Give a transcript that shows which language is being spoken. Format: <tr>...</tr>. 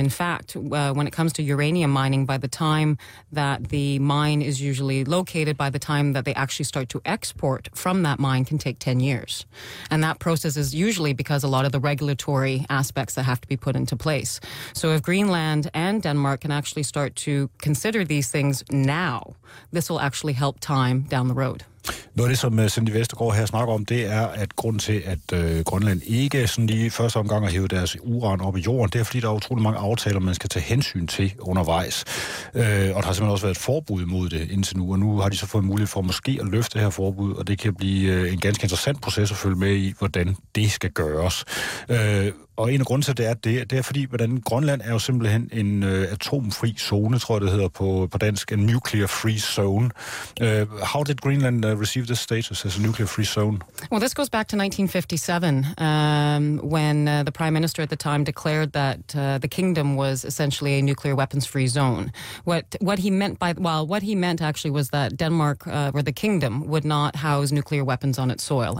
<en>In fact, when it comes to uranium mining, by the time that the mine is usually located, by the time that they actually start to export from that mine can take 10 years. And that process is usually because a lot of the regulatory aspects that have to be put into place. So if Greenland and Denmark can actually start to consider these things now, this will actually help time down the road.</en> <da>Noget af det, som Cindy Vestergaard her snakker om, det er, at grunden til, at Grønland ikke sådan lige første omgang har hævet deres uran op i jorden, det er, fordi der er utrolig mange aftaler, man skal tage hensyn til undervejs. Og der har simpelthen også været et forbud mod det indtil nu, og nu har de så fået mulighed for måske at løfte det her forbud, og det kan blive en ganske interessant proces at følge med i, hvordan det skal gøres. Og en af grunden til, det er fordi, hvordan Grønland er jo simpelthen en atomfri zone, tror jeg, det hedder på dansk, en</da> <en>nuclear-free zone. How did Greenland receive this status as a nuclear-free zone? Well, this goes back to 1957, when the Prime Minister at the time declared that the kingdom was essentially a nuclear weapons-free zone. What he meant actually was that Denmark, or the kingdom, would not house nuclear weapons on its soil.</en>